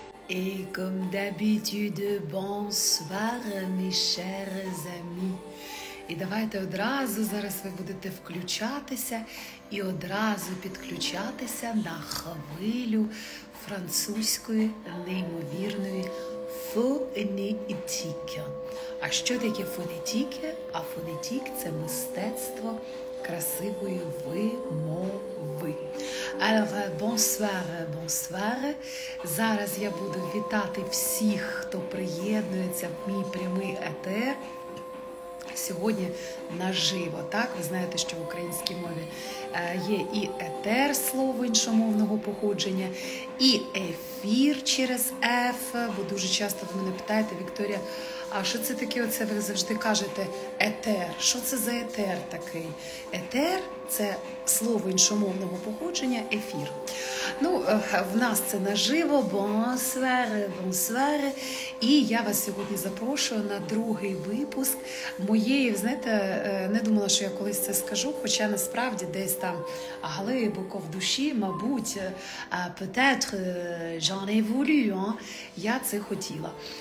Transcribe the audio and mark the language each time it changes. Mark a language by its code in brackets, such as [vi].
[fr] Et comme d'habitude, bonsoir, mes chers amis. [uk] І давайте одразу зараз ви будете включатися і одразу підключатися на хвилю французької неймовірної фонетики. А що таке фонетики? А фонетик – це мистецтво красивої вимови. [fr] Alors, bonsoir, bonsoir. [uk] Зараз я буду вітати всіх, хто приєднується в мій прямий етер. Сьогодні наживо, так? Ви знаєте, що в українській мові є і етер, слово іншомовного походження, і ефір через F, бо дуже часто ви мене питаєте, Вікторія, а що це таке, оце ви завжди кажете, етер, що це за етер такий? Етер – це слово іншомовного походження, ефір. Ну, в нас це наживо, [fr] бонсвер, бонсвер. [uk] І я вас сьогодні запрошую на другий випуск моєї, знаєте, не думала, що я колись це скажу, хоча насправді десь там глибоко в душі, мабуть, [fr] peut-être, j'en ai voulu, [uk] я це хотіла.